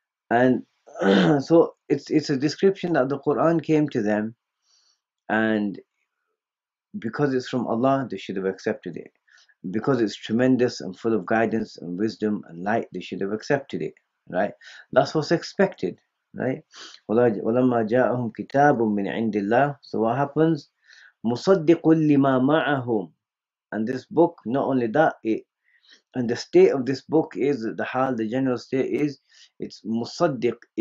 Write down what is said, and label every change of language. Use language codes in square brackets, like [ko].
[en] And so it's a description that the Quran came to them, and because it's from Allah, they should have accepted it. Because it's tremendous and full of guidance and wisdom and light, they should have accepted it, right? That's what's expected, right? [ar] وَلَمَّا جَاءَهُمْ كِتَابٌ مِّنْ عِنْدِ اللَّهِ. [en] So what happens? [ar] مُصَدِّقٌ لِمَا مَعَهُمْ. [en] And this book, not only that, and the state of this book is, the general state is, it's مُصَدِّق,